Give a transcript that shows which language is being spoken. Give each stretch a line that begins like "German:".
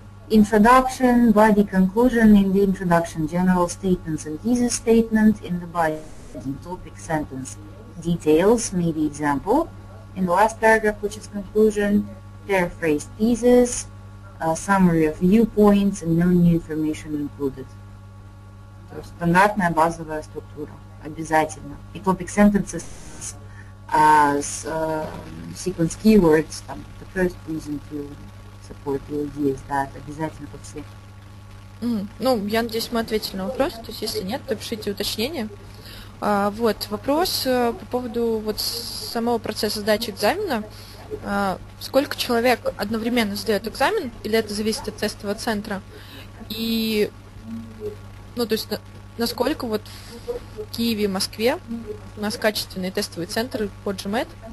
English: Introduction, body conclusion in the introduction, general statements and thesis statement in the body. Topic sentence details, maybe example, in the last paragraph, which is conclusion, paraphrase thesis, summary of viewpoints, and no new information included.
Russian: То есть стандартная базовая структура, обязательно.
English: И topic sentences as sequence keywords, там, the first reason to support the ideas, да,
Russian: обязательно по всей. Ну, я надеюсь, мы ответили на вопрос, то есть если нет, то пишите уточнение. Вот, вопрос по поводу вот самого процесса сдачи экзамена. Сколько человек одновременно сдает экзамен, или это зависит от тестового центра? И, ну, то есть, насколько вот в Киеве, Москве у нас качественные тестовые центры по GMAT?